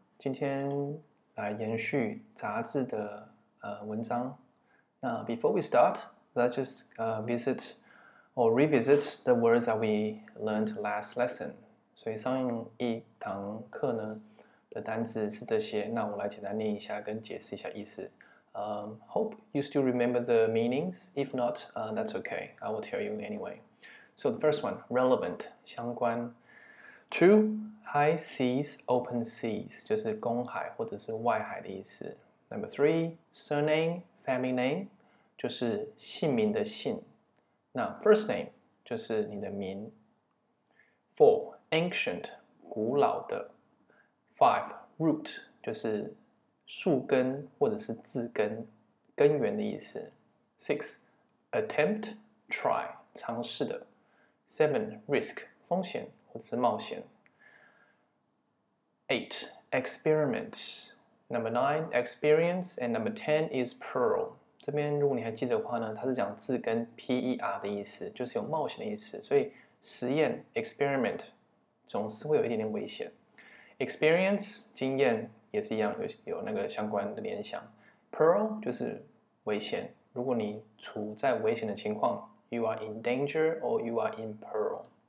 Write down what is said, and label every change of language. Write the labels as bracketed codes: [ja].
[zh] 今天来延续杂志的文章。 [en] 那 before we start, let's just visit or revisit the words that we learned last lesson. [zh] 所以上一堂课呢的单字是这些。那我来简单念一下，跟解释一下意思。 [en] Hope you still remember the meanings. If not, that's okay. I will tell you anyway. So the first one, relevant, [zh] 相关。 [en] True, high seas, open seas, [zh] 就是公海或者是外海的意思。 [en] Number three, surname, family name, [zh] 就是姓名的姓。那 [en] first name, [zh] 就是你的名。 [en] Four, ancient, [zh] 古老的。 [en] Five, root, [zh] 就是树根或者是字根，根源的意思。 [en] Six, attempt, try, [zh] 尝试的。 [en] Seven, risk, [zh] 风险或者是冒险。 [en] Eight, experiment. Number nine, experience, and number ten is pearl. [zh] 这边如果你还记得的话呢，它是讲字根 per 的意思，就是有冒险的意思。所以实验 experiment 总是会有一点点危险。 Experience 经验也是一样，有那个相关的联想。 Pearl 就是危险，如果你处在危险的情况 [en] ，you are in danger or you are in peril.